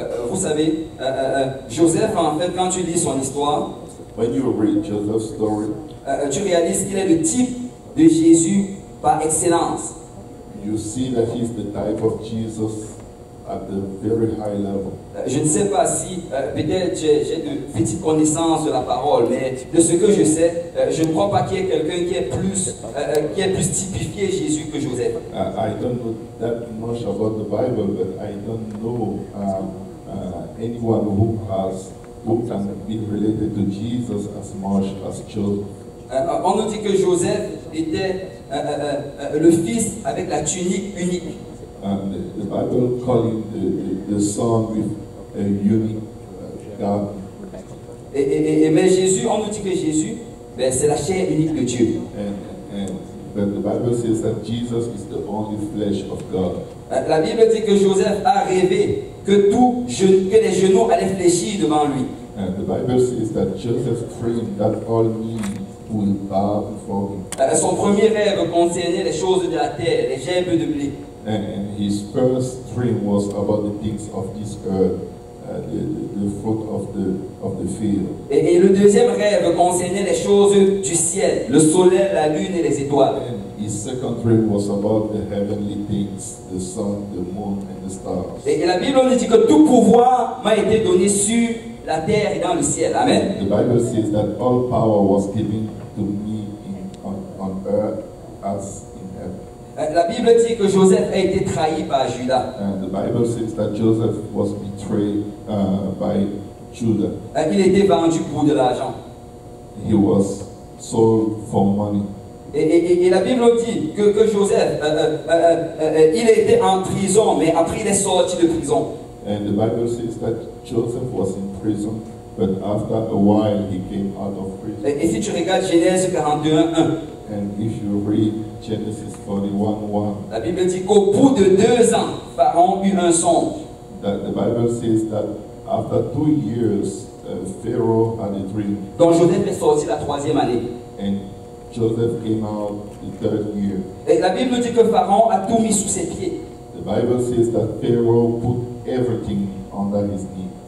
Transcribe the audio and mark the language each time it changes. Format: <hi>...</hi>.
<fr>Vous savez, Joseph, en fait, quand tu lis son histoire,</fr> <en>when you read Joseph's story,</en> <fr>tu réalises qu'il est le type de Jésus par excellence.</fr> <en>You see that he's the type of Jesus at the very high level.</en> <fr>Je ne sais pas si peut-être j'ai de petites connaissances de la parole, mais de ce que je sais, je ne crois pas qu'il y ait quelqu'un qui ait plus typifié Jésus que Joseph.</fr> <en>I don't know that much about the Bible, but I don't know anyone who can be related to Jesus as much as Joseph.</en> <fr>On nous dit que Joseph était le fils avec la tunique unique.</fr> <en>And the Bible calls him the son with a unique God.</en> <fr>Mais Jésus, on nous dit que Jésus, ben, c'est la chair unique de Dieu.</fr> <en>But the Bible says that Jesus is the only flesh of God.</en> <fr>La Bible dit que Joseph a rêvé que que les genoux allaient fléchir devant lui.</fr> <en>And the Bible says that Joseph dreamed that all knees would bow before him.</en> <fr>Son premier rêve concernait les choses de la terre, les gerbes de blé.</fr> <en>And his first dream was about the things of this earth, the fruit of the field.</en> <fr>Et le deuxième rêve concernait les choses du ciel, le soleil, la lune et les étoiles.</fr> <en>And his second dream was about the heavenly things, the sun, the moon and the stars.</en> <fr>Et la Bible nous dit que tout pouvoir m'a été donné sur la terre et dans le ciel. Amen.</fr> <en>The Bible says that all power was given to me on earth as in heaven.</en> <fr>La Bible dit que Joseph a été trahi par Judas.</fr> <en>And the Bible says that Joseph was betrayed by Judas.</en> <fr>Il était vendu pour de l'argent.</fr> <en>He was sold for money.</en> <fr>Et la Bible dit que Joseph, il a été en prison, mais après il est sorti de prison.</fr> <en>And the Bible says that Joseph was in prison, but after a while he came out of prison.</en> <fr>Et si tu regardes Genèse 41:1.</fr> <en>And if you read Genesis 41:1,</en> <fr>la Bible dit qu'au bout de 2 ans, Pharaon eut un songe.</fr> <en>The Bible says that after 2 years, Pharaoh had a dream.</en> <fr>Donc Joseph est sorti la troisième année.</fr> <en>And Joseph came out the third year.</en> <fr>Et la Bible dit que Pharaon a tout mis sous ses pieds.</fr> <en>The Bible says that Pharaoh put everything under his knees.</en>